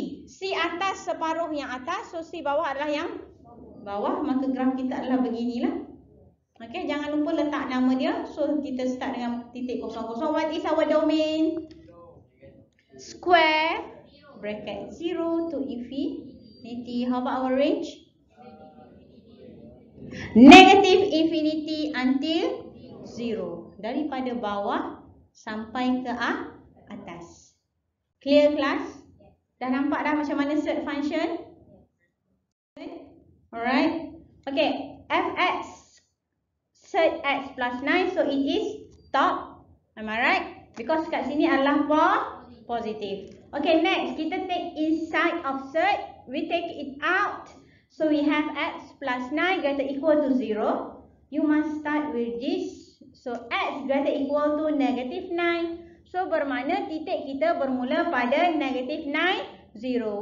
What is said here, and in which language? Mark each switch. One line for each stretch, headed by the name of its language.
Malay: C atas separuh yang atas. So, C bawah adalah yang bawah. Maka graf kita adalah beginilah. Okay, jangan lupa letak nama dia. So, kita start dengan titik kosong-kosong.
English: What is our domain? Square bracket 0 to infinity. How about our range? Negative infinity until 0.
Malay: Daripada bawah sampai ke atas.
English: Clear class?
Malay: Dah nampak dah macam mana third function?
English: Alright. Okay. Fx. Third x plus 9. So it is top. Am I right?
Malay: Because kat sini adalah positive.
English: Okay. Next. Kita take inside of third. We take it out. So we have x plus 9 greater equal to 0. You must start with this. So x greater equal to negative 9. So
Malay: bermakna titik kita bermula pada
English: negative 9, 0.